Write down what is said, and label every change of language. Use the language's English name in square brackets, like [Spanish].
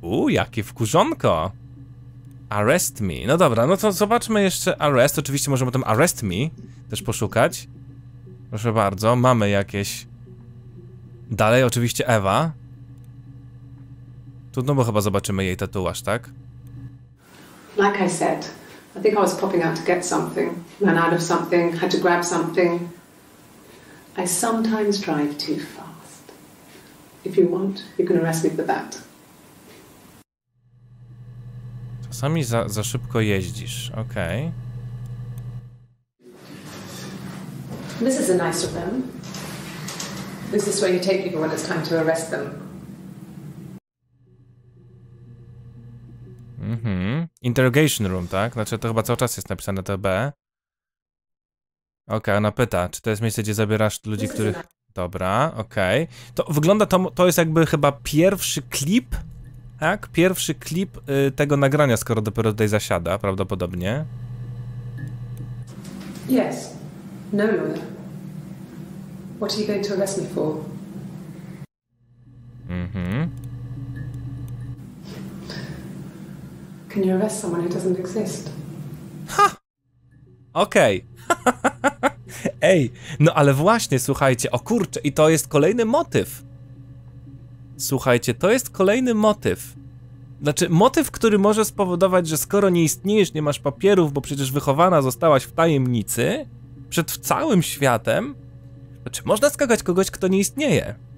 [Polish] jakie wkurzonko. [English] Arrest me. [Polish] No dobra, no to zobaczmy jeszcze arrest. Oczywiście możemy tam [English] arrest me [Polish] też poszukać. Proszę bardzo, mamy jakieś... Dalej oczywiście Ewa. Trudno, bo chyba zobaczymy jej tatuaż, tak? [English] Like I said, I think I was popping out to get something. Ran out of something, had to grab something. I sometimes drive too fast. If you want, you can arrest me for that. [Polish] Czasami za szybko jeździsz, okej. [English] Okay. This is a nice room. This is where you take people when it's time to arrest them. Mhm. Interrogation room, tak? [Polish] Znaczy to chyba cały czas jest napisane to B. Okej, ona pyta, czy to jest miejsce, gdzie zabierasz ludzi, których... Dobra, okej. Okay. To wygląda, to jest jakby chyba pierwszy klip, tak? Pierwszy klip tego nagrania, skoro dopiero tutaj zasiada, prawdopodobnie. [English] Yes. No lawyer. What are you going to arrest me for? Mhm. Can you arrest someone who doesn't exist? Ha! Okej. Okay. [Polish] Ej, no ale właśnie, słuchajcie, o kurczę, i to jest kolejny motyw. Słuchajcie, to jest kolejny motyw. Znaczy, motyw, który może spowodować, że skoro nie istniejesz, nie masz papierów, bo przecież wychowana zostałaś w tajemnicy, przed całym światem, znaczy, można skakać kogoś, kto nie istnieje.